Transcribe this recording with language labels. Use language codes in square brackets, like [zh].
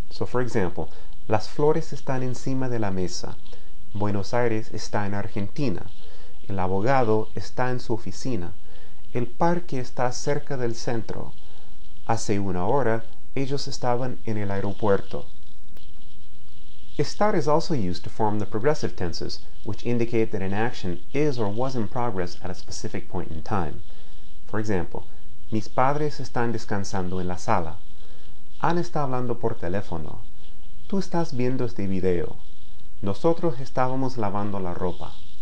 [en] So for example, [es] las flores están encima de la mesa. Buenos Aires está en Argentina. El abogado está en su oficina. El parque está cerca del centro. Hace una hora, ellos estaban en el aeropuerto. [en] Estar is also used to form the progressive tenses, which indicate that an action is or was in progress at a specific point in time. For example, [es] mis padres están descansando en la sala. Han estado hablando por teléfono. Tú estás viendo este video. Nosotros estábamos lavando la ropa.